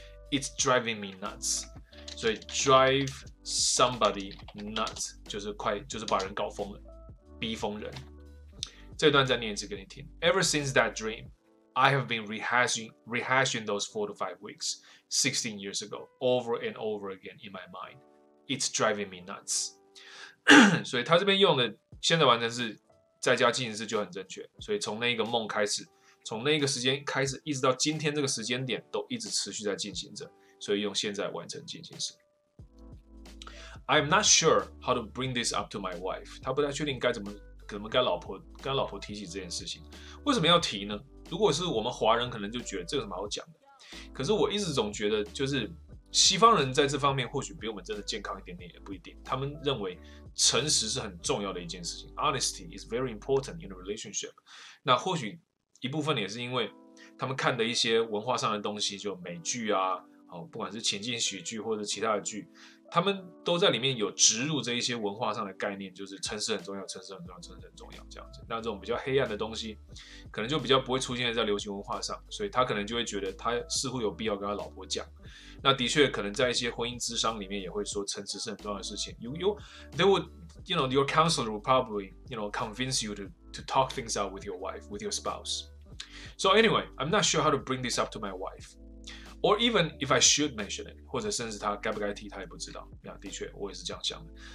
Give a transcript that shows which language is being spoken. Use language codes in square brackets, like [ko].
[en] It's driving me nuts. [zh] 所以 [en] drive somebody nuts [zh] 就是把人搞疯了，逼疯人。这段再念一次给你听。 [en] Ever since that dream, I have been rehashing those 4 to 5 weeks, 16 years ago, over and over again in my mind. It's driving me nuts. [zh] 所以他这边用的现在完成式再加进行式就很正确。所以从那个梦开始，从那个时间开始，一直到今天这个时间点，都一直持续在进行着。所以用现在完成进行式。 [en] I'm not sure how to bring this up to my wife. [zh] 他不太确定怎么跟老婆提起这件事情。为什么要提呢？如果是我们华人，可能就觉得这有什么好讲的。可是我一直总觉得，就是西方人在这方面或许比我们真的健康一点点，也不一定。他们认为诚实是很重要的一件事情 ， [en] Honesty is very important in a relationship. [zh] 那或许一部分也是因为他们看的一些文化上的东西，就美剧啊。不管是情境喜剧或者其他的剧，他们都在里面有植入这一些文化上的概念，就是诚实很重要，诚实很重要，诚实很重要这样子。那这种比较黑暗的东西，可能就比较不会出现在流行文化上，所以他可能就会觉得他似乎有必要跟他老婆讲。那的确，可能在一些婚姻諮商里面也会说诚实是很重要的事情。 [en] Your counselor will probably convince you to talk things out with your wife, with your spouse. So anyway, I'm not sure how to bring this up to my wife. Or even if I should mention it, [zh] 或者甚至他该不该提，他也不知道。 Yeah, 的确，我也是这样想的。